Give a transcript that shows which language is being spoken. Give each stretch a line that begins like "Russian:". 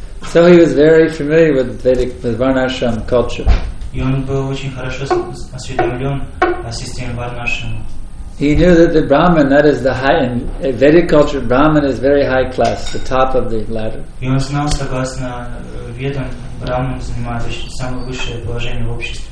English: So he was very familiar with Vedic, with Varnashram culture.
Russian: И он был очень хорошо осведомлен о системе Варнашрама.
English: He knew that the Brahman, that is the high in Vedic culture, Brahman is very high class, the top of the ladder.
Russian: И он знал, согласно ведам, Брахман занимает самое высшее положение в обществе.